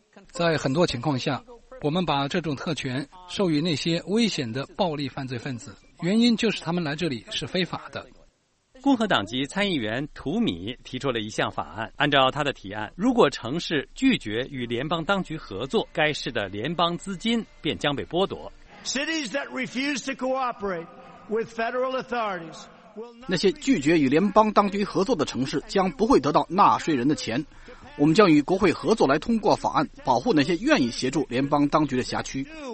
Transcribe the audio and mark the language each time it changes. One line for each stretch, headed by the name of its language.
Chinese: 在很多情况下，我们把这种特权授予那些危险的暴力犯罪分子，原因就是他们来这里是非法的。共和党籍参议员图米提出了一项法案，按照他的提案，如果城市拒绝与联邦当局合作，该市的联邦资金便将被剥夺。
English: Cities that refuse to cooperate with federal authorities will not...
Chinese: 那些拒绝与联邦当局合作的城市将不会得到纳税人的钱，我们将与国会合作来通过法案，保护那些愿意协助联邦当局的辖区。